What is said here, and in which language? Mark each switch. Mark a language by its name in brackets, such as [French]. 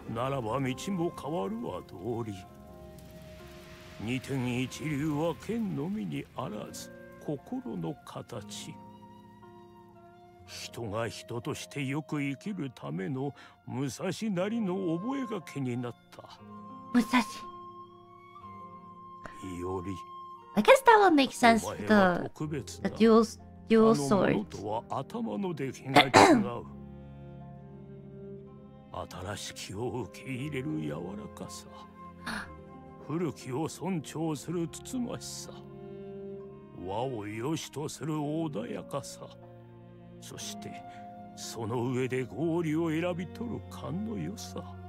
[Japanese] ならば道も変わるは道理。二天一流は剣のみにあらず心の形。人が人としてよく生きるための武蔵なりの覚え書きになった。武蔵。いより。 [English] I guess that would make sense with the dual sword. [Japanese] あの者とは頭の出来が違う。新しきを受け入れる柔らかさ。古きを尊重するつつましさ。和を良しとする穏やかさ。そしてその上で合理を選び取る勘の良さ。